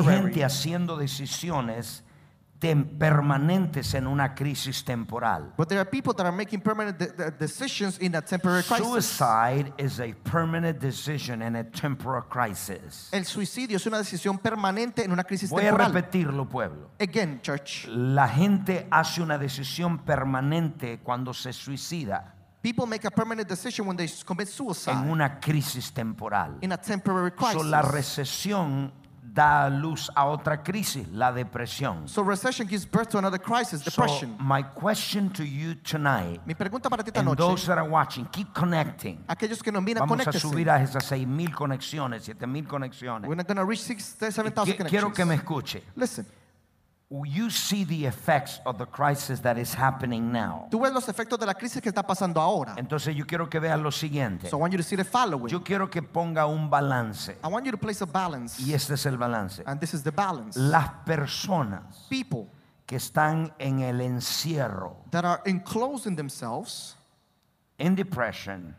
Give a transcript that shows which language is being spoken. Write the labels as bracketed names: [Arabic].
[Spanish] Pero hay gente haciendo decisiones permanentes en una crisis temporal. [English] But there are people that are making permanent decisions in a temporary crisis. Suicide is a permanent decision in a temporal crisis. [Spanish] El suicidio es una decisión permanente en una crisis temporal. Voy a repetirlo, pueblo. [English] Again, church. [Spanish] La gente hace una decisión permanente cuando se suicida. [English] People make a permanent decision when they commit suicide. [Spanish] En una crisis temporal. [English] In a temporary crisis. [Spanish] So la recesión da luz a otra crisis, la depresión. [English] So recession gives birth to another crisis, depression. So my question to you tonight. [Spanish] Mi pregunta para ti esta [English] and [Spanish] noche. [English] And those that are watching, keep connecting. [Spanish] Aquellos que nos miran, conéctense. Vamos a subir a esas 6,000 conexiones, 7,000 conexiones. [English] We're not going to reach 7,000 connections. [Spanish] Quiero que me escuche. [English] Listen. You see the effects of the crisis that is happening now. [Spanish] Tú ves los efectos de la crisis que está pasando ahora. Entonces yo quiero que veas lo siguiente. [English] So I want you to see the following. [Spanish] Yo quiero que ponga un balance. [English] I want you to place a balance. [Spanish] Y este es el balance. [English] And this is the balance. [Spanish] Las personas. [English] People. [Spanish] Que están en el encierro. [English] That are enclosing themselves. In depression.